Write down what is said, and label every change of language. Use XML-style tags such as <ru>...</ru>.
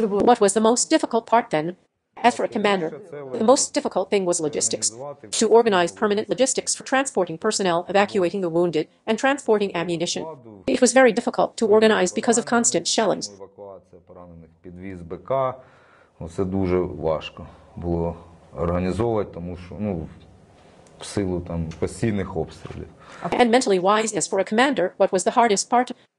<en>What was the most difficult part then? As for a commander, the most difficult thing was logistics. To organize permanent logistics for transporting personnel, evacuating the wounded, and transporting ammunition. It was very difficult to organize because of constant shellings.</en> <uk>Підвіз БК, це дуже важко було організовувати, тому що, ну, в силу там постійних обстрілів.</uk> <en>And mentally wise, as for a commander, what was the hardest part?</en>